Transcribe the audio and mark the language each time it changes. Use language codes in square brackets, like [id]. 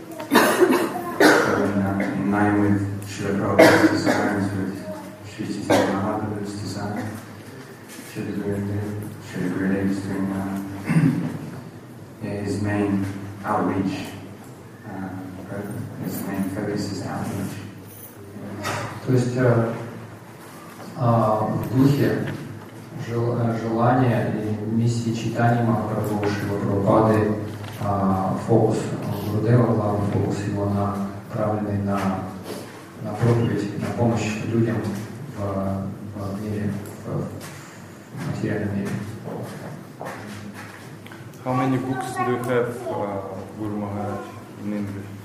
[en] So in line with Srila Prabhupada's designs, with Sri Chaitanya Mahaprabhu's design, Srila Gurudev is doing his main outreach program. His main focus is outreach. [ru] То есть в духе желания и миссии читания Махапрабху Шрила Прабхупады фокус Гурудева, главный фокус его направленный на проповедь, на помощь людям в мире, в материальном мире. [en] How many books do you have, Guru Maharaj, in English?